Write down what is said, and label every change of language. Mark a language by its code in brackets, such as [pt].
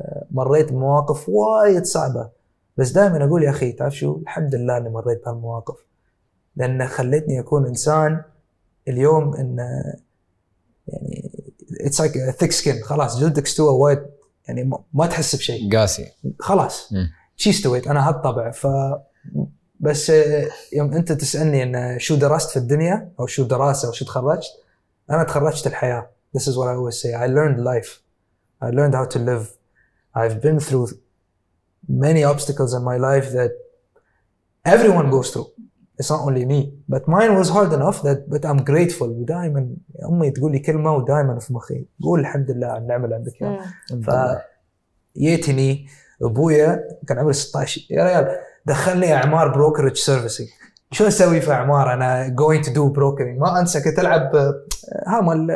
[ar] مريت مواقف وايد صعبة، بس دائما أقول يا أخي تعرف شو، الحمد لله أني مريت بهالمواقف لأنه خلتني أكون إنسان اليوم، إنه يعني [en] it's like a thick skin، [ar] خلاص جلدك استوى وايد يعني ما تحس بشيء، قاسي خلاص شي استويت أنا هالطبع. فبس يوم أنت تسألني إنه شو درست في الدنيا أو شو دراسة أو شو تخرجت، أنا تخرجت الحياة. [en] This is what I always say. I learned life. I learned how to live. I've been through many obstacles in my life that everyone goes through. It's not only me, but mine was hard enough that, but I'm grateful. [ar] دائما أمي تقول لي كلمة ودائما في مخي قول الحمد لله على النعمة اللي عندك. فجيتني أبويا كان عمري 16 يا ريال، دخلني أعمار [en] brokerage servicing, [ar] شو اسوي في اعمار انا [en] going to do brokering [ar] ما انسى كنت العب هام